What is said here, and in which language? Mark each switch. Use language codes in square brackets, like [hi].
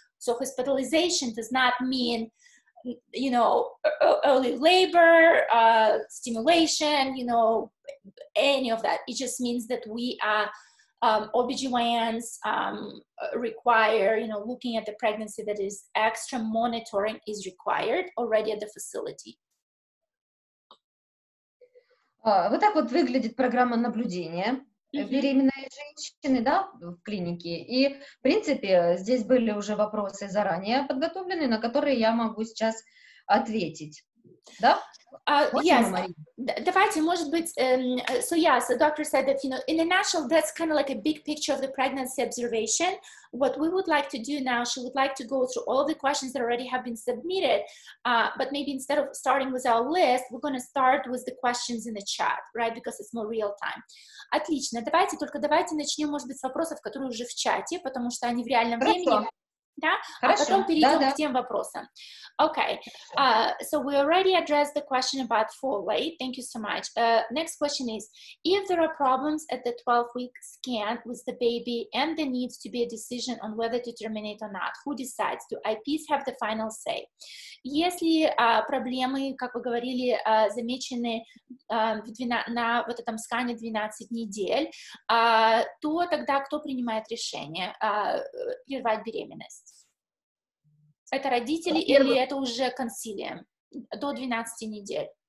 [en] So hospitalization does not mean, you know, early labor, stimulation, you know, any of that. It just means that we are OBGYNs require, you know, looking at the pregnancy, that is extra monitoring is required already at the facility. [ru] Вот так вот выглядит программа наблюдения mm-hmm. беременной женщины, да, в клинике. И, в принципе, здесь были уже вопросы заранее подготовлены, на которые я могу сейчас ответить. Да? [en] Yes. [ru] Давайте, может быть, [en] so yes, the doctor said that, you know, in the national, that's kind of like a big picture of the pregnancy observation. What we would like to do now, she would like to go through all the questions that already have been submitted, but maybe instead of starting with our list, we're going to start with the questions in the chat, right, because it's more real time. [ru] Отлично, давайте, только давайте начнем, может быть, с вопросов, которые уже в чате, потому что они в реальном времени. Да? Хорошо. А потом перейдем к тем вопросам. [en] Okay. So we already addressed the question about fall weight. Thank you so much. Next question is, if there are problems at the 12-week scan with the baby and there needs to be a decision on whether to terminate or not, who decides? Do IPs have the final say? [ru] Если проблемы, как вы говорили, замечены на вот этом скане 12 недель, то тогда кто принимает решение прервать беременность? Это родители или это уже консилиум до 12 недель?